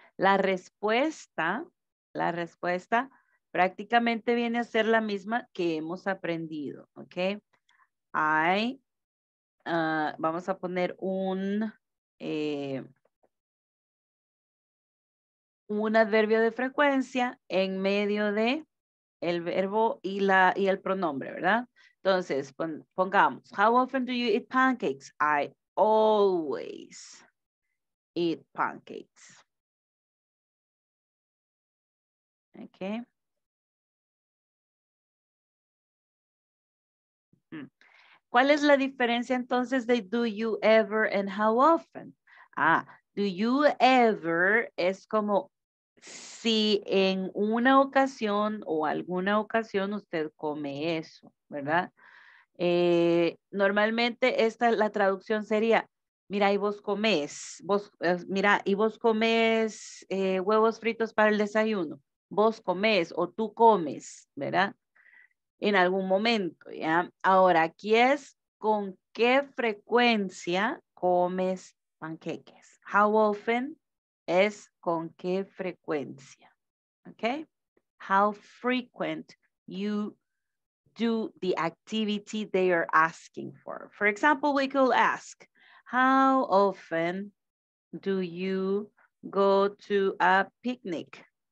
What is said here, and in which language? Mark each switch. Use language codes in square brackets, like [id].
[es] La respuesta prácticamente viene a ser la misma que hemos aprendido, okay? Vamos a poner un adverbio de frecuencia en medio de el verbo y el pronombre, ¿verdad? [en] Entonces, pongamos, how often do you eat pancakes? I always eat pancakes. Okay. [es] ¿Cuál es la diferencia entonces de do you ever and how often? Ah, do you ever es como si en una ocasión o alguna ocasión usted come eso, ¿verdad? Normalmente esta la traducción sería, mira y vos comes, huevos fritos para el desayuno, vos comes o tú comes, ¿verdad? En algún momento, ¿ya? Ahora, aquí es con qué frecuencia comes panqueques. How often es con qué frecuencia, ¿ok? [en] How frequent you do the activity they are asking for. For example, we could ask, how often do you go to a picnic?